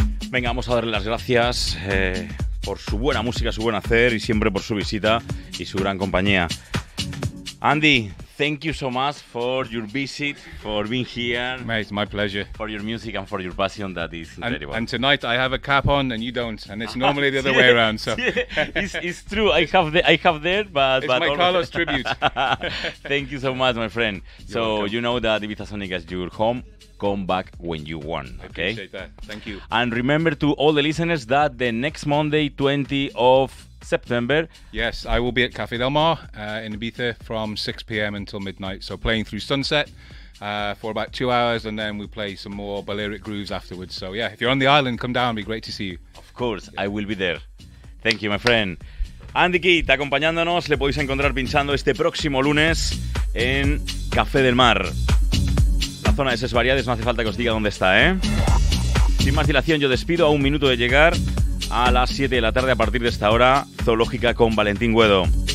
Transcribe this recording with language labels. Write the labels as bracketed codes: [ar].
[es] Venga, vamos a darle las gracias por su buena música, su buen hacer y siempre por su visita y su gran compañía. [en] Andy, thank you so much for your visit, for being here. Mate, it's my pleasure. For your music and for your passion, that is incredible. And tonight I have a cap on and you don't, and it's normally the other way around. So it's true. I have that, but my Carlos tribute. Thank you so much, my friend. You're welcome. You know that Ibiza Sonic is your home. Come back when you want. Okay. I appreciate that. Thank you. And remember to all the listeners that the next Monday, 20th of September. Yes, I will be at Café Del Mar in Ibiza from 6 p.m. until midnight. So playing through sunset for about 2 hours, and then we play some more Balearic grooves afterwards. So yeah, if you're on the island, come down. It'd be great to see you. Of course, yeah. I will be there. Thank you, my friend. [es] Andy Keith, acompañándonos, le podéis encontrar pinchando este próximo lunes en Café Del Mar. La zona de Sesvariades, no hace falta que os diga dónde está, ¿eh? Sin más dilación, yo despido a un minuto de llegar. A las 7 de la tarde, a partir de esta hora, Zoológica con Valentín Guedo.